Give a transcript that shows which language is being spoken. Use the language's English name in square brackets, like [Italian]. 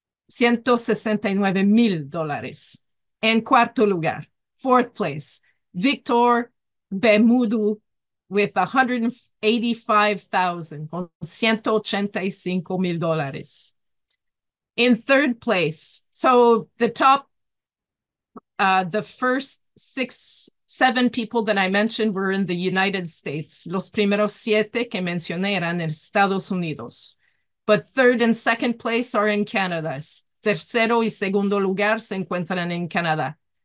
[Spanish] $169,000. En cuarto lugar, fourth place, Victor Bemudu with $185,185,000. [English] In third place, so the top, the first seven people that I mentioned were in the United States. [Spanish] Los primeros siete que mencioné eran en Estados Unidos. [English] But third and second place are in Canada. [Spanish] Tercero y segundo lugar se encuentran en Canadá.